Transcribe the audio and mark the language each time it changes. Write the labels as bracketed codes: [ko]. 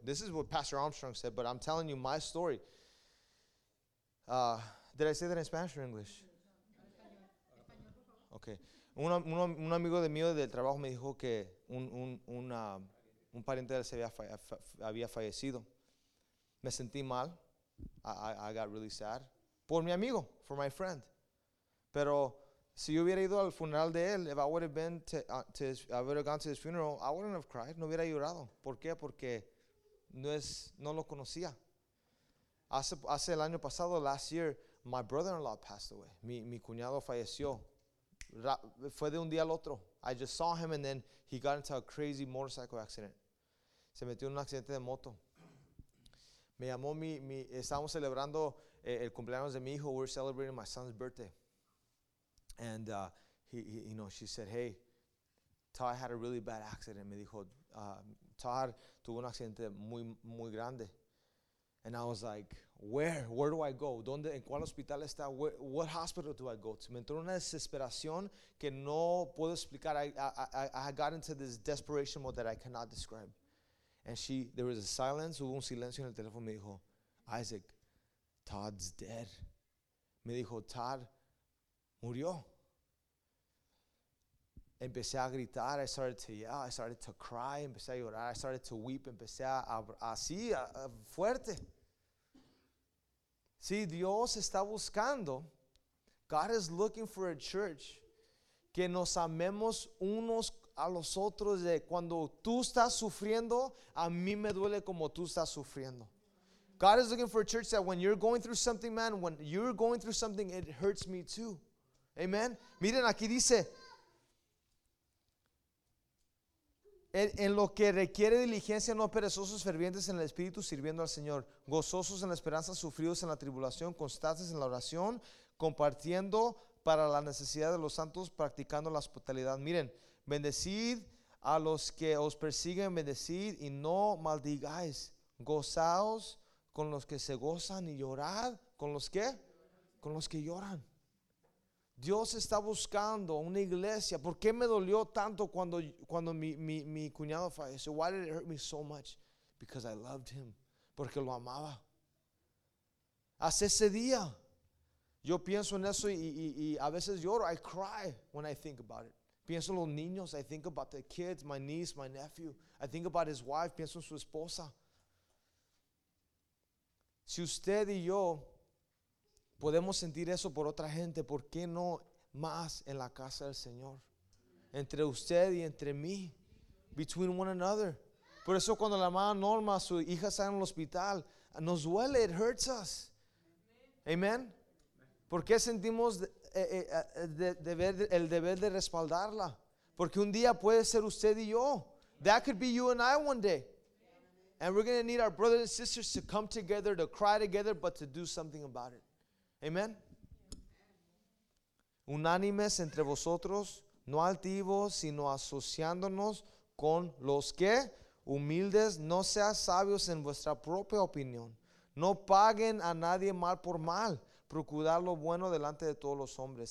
[en] This is what Pastor Armstrong said, but I'm telling you my story. Did I say that in Spanish or English? Okay. [es] Un amigo de mío del trabajo me dijo que un pariente de él había fallecido. Me sentí mal. [en] I got really sad. [es] Por mi amigo, [en] for my friend. [es] Pero si yo hubiera ido al funeral de él, [en] if I would have been gone to his funeral, I wouldn't have cried. [es] No hubiera llorado. ¿Por qué? Porque no lo conocía. Hace el año pasado, [en] last year, [es] my brother-in-law passed away. Mi cuñado falleció. Fue de un día al otro. [en] I just saw him and then he got into a crazy motorcycle accident. [es] Se metió en un accidente de moto. Me llamó estábamos celebrando el cumpleaños de mi hijo. [en] We're celebrating my son's birthday. And she said, hey, Todd had a really bad accident. [es] Me dijo, Todd tuvo un accidente muy, muy grande. [en] And I was like, where do I go? [es] ¿Dónde, en cuál hospital está? [en] What hospital do I go to? [es] Me entró una desesperación que no puedo explicar. [en] I got into this desperation mode that I cannot describe. And there was a silence. [es] Hubo un silencio en el teléfono. Me dijo, Isaac, [en] Todd's dead. [es] Me dijo, Todd murió. Empecé a gritar. [en] I started to yell. I started to cry. [es] Empecé a llorar. [en] I started to weep. [es] Empecé a fuerte. Sí, Dios está buscando. [en] God is looking for a church [es] que nos amemos unos a los otros. De cuando tú estás sufriendo, a mí me duele como tú estás sufriendo. [en] God is looking for a church that when you're going through something, man, when you're going through something, it hurts me too. Amen. [es] Miren, aquí dice, en lo que requiere diligencia, no perezosos, fervientes en el espíritu, sirviendo al Señor, gozosos en la esperanza, sufridos en la tribulación, constantes en la oración, compartiendo para la necesidad de los santos, practicando la hospitalidad. Miren, bendecid a los que os persiguen, bendecid y no maldigáis, gozaos con los que se gozan y llorad con los que, con los que lloran. Dios está buscando una iglesia. ¿Por qué me dolió tanto cuando mi cuñado falleció? [en] Why did it hurt me so much? Because I loved him. [es] Porque lo amaba. Hasta ese día. Yo pienso en eso y a veces lloro. [en] I cry when I think about it. [es] Pienso en los niños. [en] I think about the kids, my niece, my nephew. I think about his wife. [es] Pienso en su esposa. Si usted y yo podemos sentir eso por otra gente, ¿por qué no más en la casa del Señor? Entre usted y entre mí. [en] Between one another. [es] Por eso cuando la mamá Norma, su hija está en el hospital, nos duele, [en] it hurts us. [es] Amen. ¿Por qué sentimos el deber de respaldarla? Porque un día puede ser usted y yo. [en] That could be you and I one day. And we're going to need our brothers and sisters to come together, to cry together, but to do something about it. Amen. [es] Unánimes entre vosotros, no altivos, sino asociándonos con los que humildes, no seas sabios en vuestra propia opinión. No paguen a nadie mal por mal. Procurad lo bueno delante de todos los hombres.